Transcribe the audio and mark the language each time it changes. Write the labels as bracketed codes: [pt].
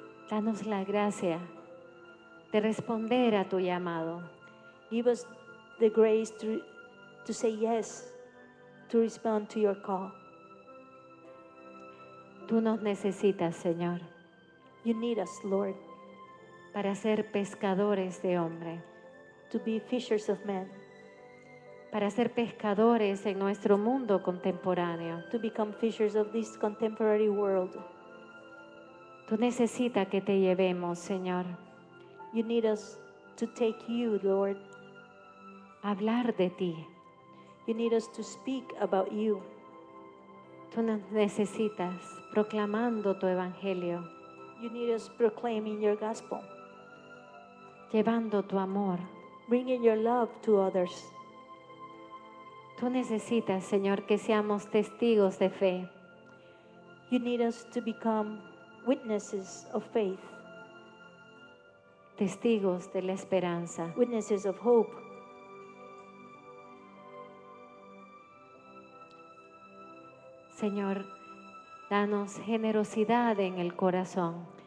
[es] Danos la gracia de responder a tu llamado. [en] Give us the grace to say yes, to respond to your call. [es] Tú nos necesitas, Señor. [en] You need us, Lord. [es] Para ser pescadores de hombre. [en] To be fishers of men. [es] Para ser pescadores en nuestro mundo contemporáneo. [en] To become fishers of this contemporary world. [es] Tú necesitas que te llevemos, Señor. [en] You need us to take you, Lord. [es] Hablar de ti. [en] You need us to speak about you. [es] Tú nos necesitas proclamando tu evangelio. [en] You need us proclaiming your gospel. [es] Llevando tu amor. [en] Bringing your love to others. [es] Tú necesitas, Señor, que seamos testigos de fe. [en] You need us to become witnesses of faith. [es] Testigos de la esperanza. [en] Witnesses of hope. [es] Señor, danos generosidad en el corazón.